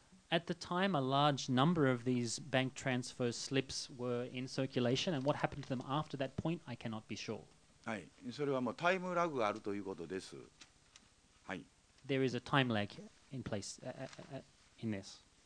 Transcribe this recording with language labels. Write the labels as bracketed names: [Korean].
[English] At the time, a large number of these bank transfer slips were in circulation, and what happened to them after that point, I cannot be sure. [Japanese] はい、それはもうタイムラグがあるということです。はい。 [English] There is a time lag in place in this.